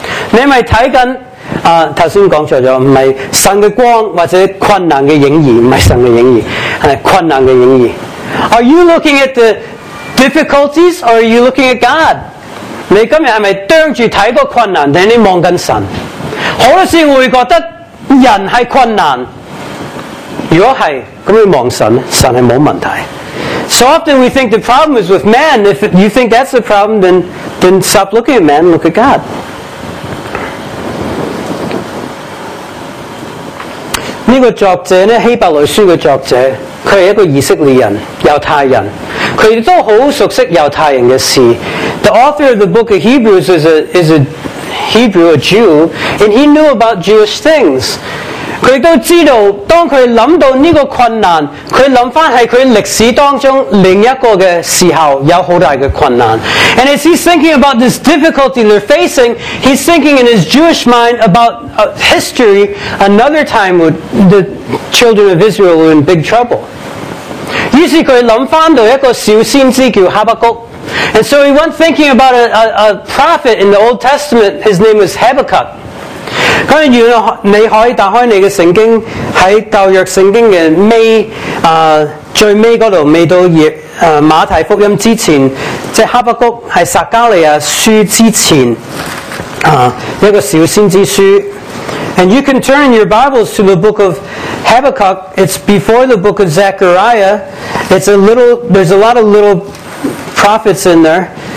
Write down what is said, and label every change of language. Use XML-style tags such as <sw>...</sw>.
<zh>你是看着刚才讲错了，不是神的光或者困难的影义，不是神的影义，是困难的影义。</zh> <en>Are you looking at the difficulties or are you looking at God?</en> <zh>你今天是不是盯着看个困难，还是你望着神？好多时会觉得人是困难，如果是，那你望神，神是没有问题。</zh> <en>So often we think the problem is with man. If you think that's the problem, then stop looking at man, look at God.</en> <zh>这个作者呢，希伯来书的作者，他是一个以色列人，犹太人，他也都很熟悉犹太人的事。</zh> <en>The author of the book of Hebrews is a Hebrew, a Jew, and he knew about Jewish things.</en> <zh>他也知道，当他想到这个困难，他想回在他历史当中另一个的时候，有很大的困难。</zh> <en>And as he's thinking about this difficulty they're facing, he's thinking in his Jewish mind about history, another time when the children of Israel were in big trouble.</en> <zh>于是他想回到一个小先知叫哈巴谷。</zh> <en>And so he went thinking about a prophet in the Old Testament. His name was Habakkuk.</en> <zh>当然，你可以打开你的圣经，在旧约圣经的尾，最尾那里，未到马太福音之前，即哈巴谷是撒加利亚书之前，一个小先知书。</zh> <en>And you can turn your Bibles to the book of Habakkuk. It's before the book of Zechariah. It's a little, there's a lot of little prophets in there.</en>